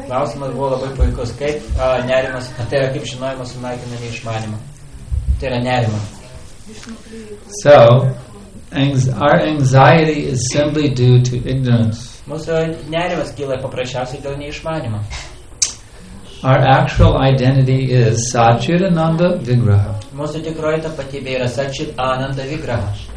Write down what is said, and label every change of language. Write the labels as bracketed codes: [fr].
[lt] Klausimas buvo labai puikus. Kaip nerimas, tai yra kaip žinojimas sunaikina neišmanimą. Tai yra nerima. [en] So, our anxiety is simply due to ignorance. [lt] Mūsų nerimas kyla paprasčiausiai dėl neišmanimo. Our actual identity is Satchit Ananda Vigraha. Mūsų tikroji tapatybė yra Satchit Ananda Vigraha.